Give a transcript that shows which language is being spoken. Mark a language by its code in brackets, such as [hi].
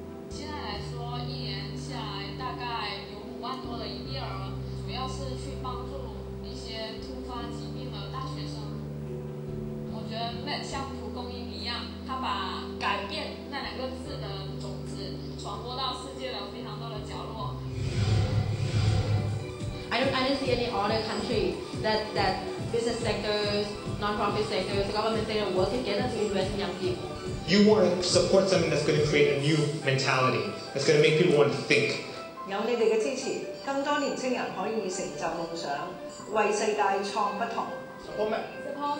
[zh] 现在来说，一年下来大概有5万多的营业额，主要是去帮助一些突发疾病的大学生。我觉得 Matt 像蒲公英一样，他把改变那两个字的种子传播到世界的非常多的角落。 [en] I don't see any other country that business sectors, non-profit sectors, government sectors work together to invest in young people. You want to support something that's going to create a new mentality, that's going to make people want to think. [zh] 有你们的支持，更多年轻人可以成就梦想，为世界创不同。